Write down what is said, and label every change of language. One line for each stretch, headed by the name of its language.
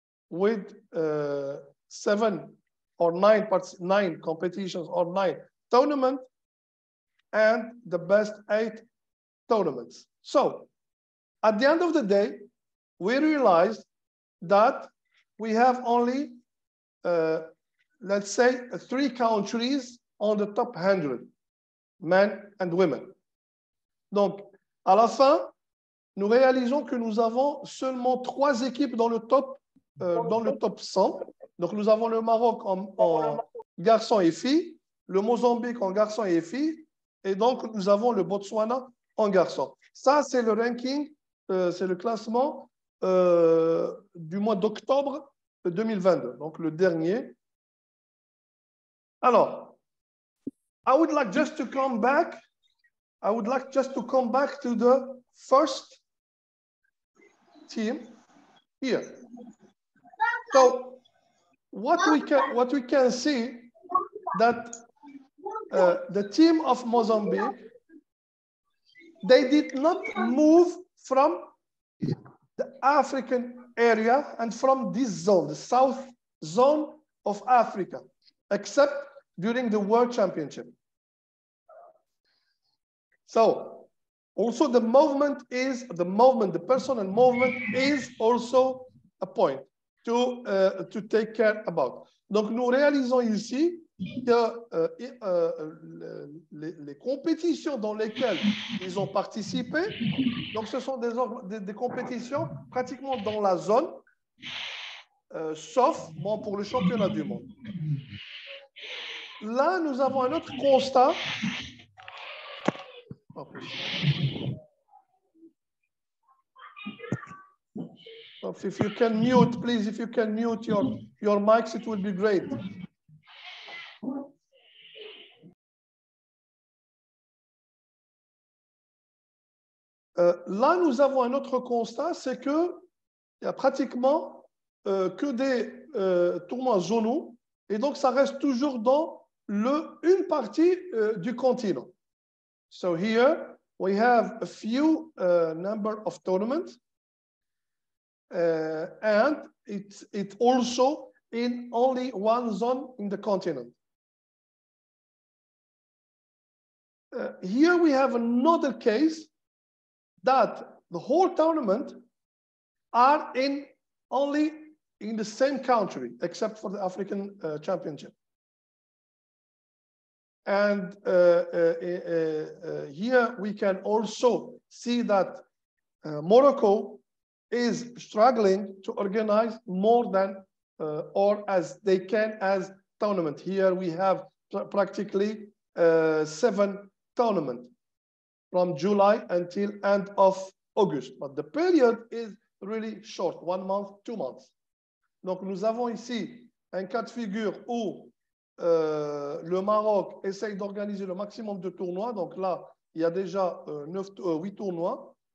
English: With 7 or 9 competitions or 9 tournaments and the best 8 tournaments. So at the end of the day, we realized that we have only, let's say, 3 countries on the top 100, men and women.
French: Donc, à la fin, nous réalisons que nous avons seulement 3 équipes dans le top. Dans le top 100. Donc, nous avons le Maroc en garçon et fille, le Mozambique en garçon et fille, et donc nous avons le Botswana en garçon. Ça, c'est le ranking, c'est le classement du mois d'octobre 2022, donc le dernier. Alors,
English: I would like just to come back to the first team here. So what we can see that the team of Mozambique, they did not move from the African area and from this zone, the south zone of Africa, except during the World Championship. So also the personal movement is also a point to take care about.
French: Donc nous réalisons ici que les compétitions dans lesquelles ils ont participé, donc ce sont des compétitions pratiquement dans la zone, sauf bon, pour le championnat du monde. Là, nous avons un autre constat.
English: If you can mute, please, if you can mute your mics, it would be great.
French: Là, nous avons un autre constat, c'est que il y a pratiquement que des tournois zonaux, et donc ça reste toujours dans une partie du continent.
English: So here we have a few number of tournaments, and it also in only one zone in the continent. Here we have another case that the whole tournament are in only in the same country, except for the African Championship. And here we can also see that Morocco is struggling to organize more than or as they can as tournament. Here we have practically seven tournaments from July until end of August. But the period is really short, 1 month, 2 months.
French: Donc nous avons ici un cas de figure où le Maroc essaye d'organiser le maximum de tournois. Donc là, il y a déjà 8 tournois.